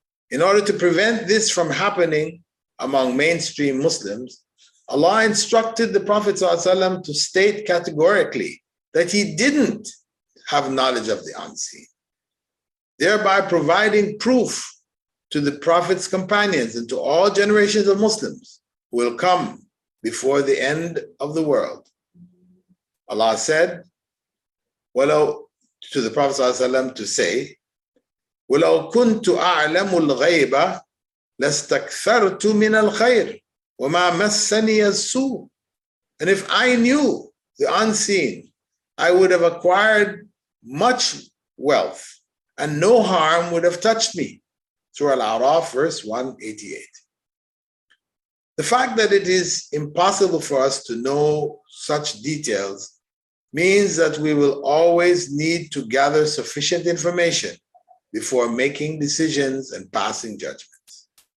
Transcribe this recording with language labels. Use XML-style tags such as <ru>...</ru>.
<en>In order to prevent this from happening among mainstream Muslims, Allah instructed the Prophet ﷺ to state categorically that he didn't have knowledge of the unseen, thereby providing proof to the Prophet's companions and to all generations of Muslims who will come before the end of the world. Allah said, to the Prophet to say,</en> <ar>وَلَوْ كُنْتُ أَعْلَمُ الْغَيْبَ لَسْتَكْثَرْتُ مِنَ الْخَيْرِ وَمَا مَسَّنِيَ السُّوءُ.</ar> <en>And if I knew the unseen, I would have acquired much wealth and no harm would have touched me. Surah Al-A'raf, verse 188. The fact that it is impossible for us to know such details means that we will always need to gather sufficient information before making decisions and passing judgments.</en>